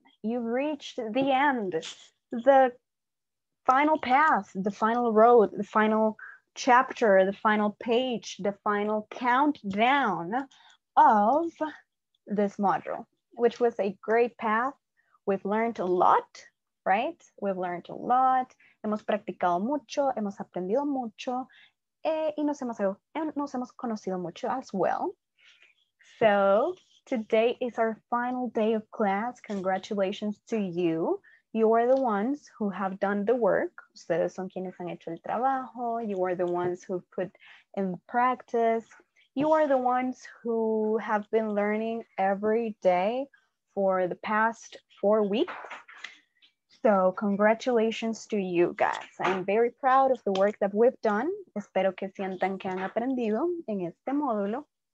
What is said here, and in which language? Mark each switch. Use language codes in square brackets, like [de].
[en] You've reached the end, the final path, the final road, the final chapter, the final page, the final countdown of this module, which was a great path. We've learned a lot, right? We've learned a lot. [es] Hemos practicado mucho, hemos aprendido mucho, y nos hemos conocido mucho [en] as well. So today is our final day of class. Congratulations to you. You are the ones who have done the work. [es] Ustedes son quienes han hecho el trabajo. [en] You are the ones who put in practice. You are the ones who have been learning every day for the past 4 weeks. So congratulations to you guys. I'm very proud of the work that we've done. [es] Espero que sientan que han aprendido en este módulo.